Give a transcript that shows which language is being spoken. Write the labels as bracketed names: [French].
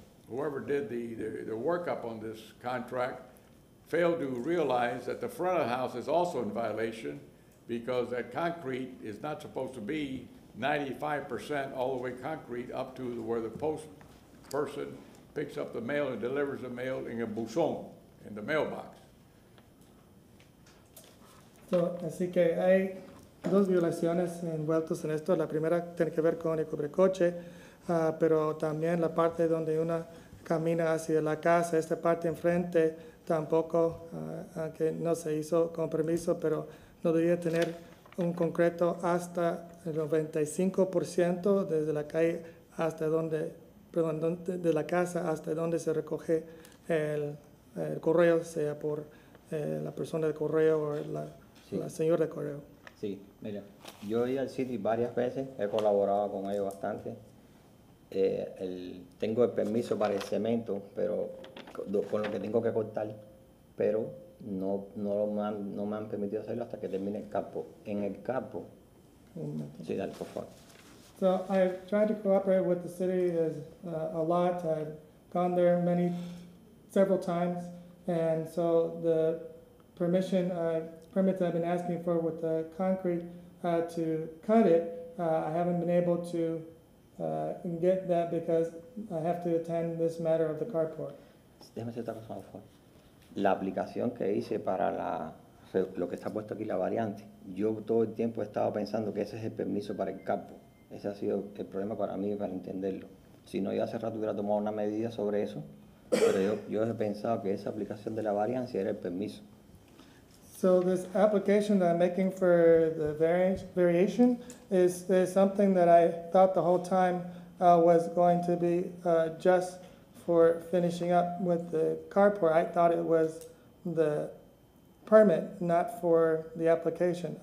[English] whoever did the workup on this contract failed to realize that the front of the house is also in violation because that concrete is not supposed to be 95% all the way concrete up to where the post person picks up the mail and delivers the mail in a buzón, in the mailbox. [Spanish] So, así que hay dos violaciones envueltas en esto. La primera tiene que ver con el cubrecoche, pero también la parte donde una camina hacia la casa, esta parte enfrente tampoco, aunque no se hizo con permiso, pero no debía tener un concreto hasta el 95% desde la calle hasta donde, perdón, de la casa hasta donde se recoge el correo, sea por la persona de correo o la Sí. La señora Correo. Sí, mira, yo he ido al City varias veces, he colaborado con ellos bastante. Tengo el permiso para el cemento, pero con lo que tengo que cortar, pero no me han permitido hacerlo hasta que termine el campo. En el campo. Sí, dale, por favor. [English] So I've tried to cooperate with the city a lot. I've gone there several times, and so the permits I've been asking for with the concrete to cut it, I haven't been able to get that because I have to attend this matter of the carport. [Spanish] Déjame hacer otra cosa, por favor. La aplicación que hice para lo que está puesto aquí, la variante, yo todo el tiempo he estado pensando que ese es el permiso para el campo. Ese ha sido el problema para mí, para entenderlo. Si no, yo hace rato hubiera tomado una medida sobre eso, pero yo he pensado que esa aplicación de la variancia era el permiso. [English] So this application that I'm making for the variation is something that I thought the whole time was going to be just for finishing up with the carport. I thought it was the permit, not for the application.